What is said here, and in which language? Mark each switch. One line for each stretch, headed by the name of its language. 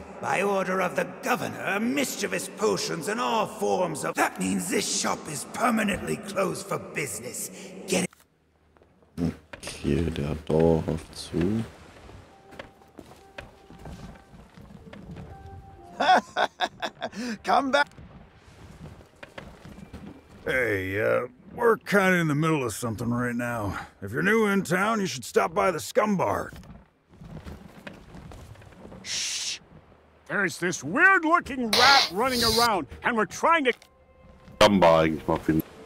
English: By order of the governor, mischievous potions in all forms of... That means this shop is permanently closed for business. Get it.
German: Okay, der hat dauerhaft zu.
English: Come back. Hey, we're kind of in the middle of something right now. If you're new in town, you should stop by the Scum Bar. Shh. There's this weird-looking rat running around, and we're trying to.
German: Scum Bar, eigentlich mal finden.